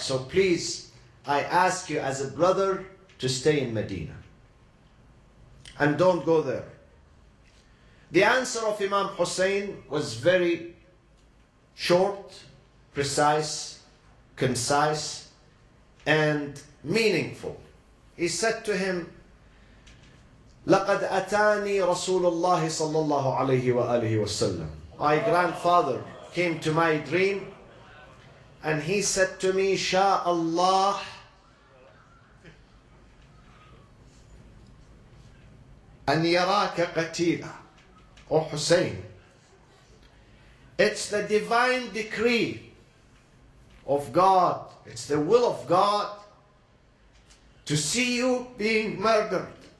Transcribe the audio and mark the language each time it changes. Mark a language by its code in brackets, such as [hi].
[en] So please, I ask you as a brother to stay in Medina and don't go there. The answer of Imam Hussein was very short, precise, concise, and meaningful. He said to him, [ar] لقد أتاني رسول الله صلى الله عليه وآله وسلم. [en] My grandfather came to my dream and he said to me, [ar] شاء الله أن يراك قتيلا. [en] O Hussein, it's the divine decree of God, it's the will of God to see you being murdered.